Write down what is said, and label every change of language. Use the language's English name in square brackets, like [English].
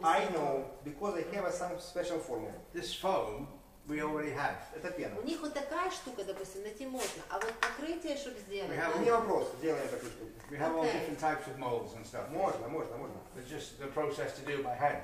[English] I know, because they have some special formula. This foam we already have. [Russian] Это пена. У них вот такая штука, допустим, найти можно, а вот покрытие, чтобы сделать. [English] We have [Russian] не вопрос, сделаем такую штуку. [English] We have all different types of molds and stuff. [Russian] Можно. [English] It's just the process to do by hand.